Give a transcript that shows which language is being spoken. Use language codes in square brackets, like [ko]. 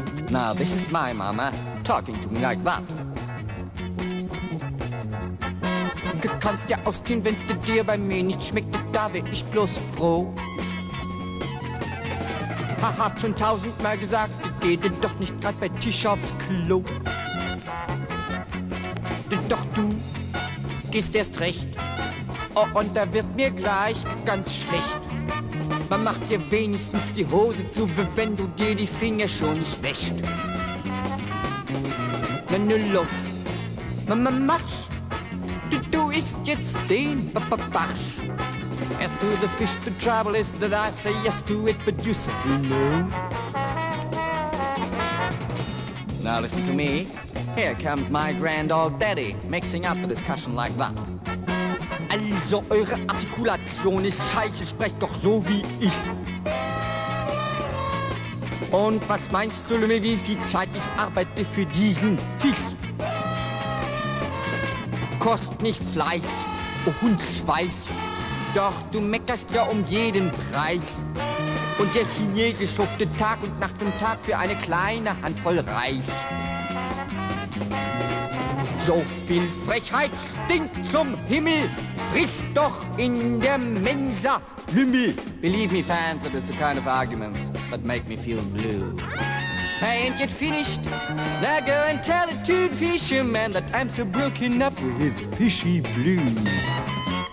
[en] Now this is my mama talking to me like that. [de] Du kannst ja ausziehen, wenn du dir bei mir nicht schmeckt, da wär ich bloß froh. Ha, hab schon tausendmal gesagt, geh denn doch nicht grad bei Tisch aufs Klo. Denn doch du gehst erst recht. Oh, und da wird mir gleich ganz schlecht. Man macht dir wenigstens die Hose zu, wenn du dir die Finger schon nicht wäscht. Na, nö, los, marsch. Du isst jetzt den Barsch. [en] As to the fish, the trouble is that I say yes to it, but you say no. Now listen to me. Here comes my grand old daddy mixing up a discussion like that. [de] Also, eure Artikulation ist scheiße, sprecht doch so wie ich. Und was meinst du, Lümmel, wie viel Zeit ich arbeite für diesen Fisch? Kost nicht Fleisch und Schweiß, doch du meckerst ja um jeden Preis. Und der Chinese schuftet Tag und Nacht und Tag für eine kleine Handvoll Reis. So viel Frechheit stinkt zum Himmel, frisch doch in der Mensa, Lümmel. [en] Believe me, fans, that is the kind of arguments that make me feel blue. Ain't yet finished. Now go and tell it to the fisherman that I'm so broken up with fishy blues.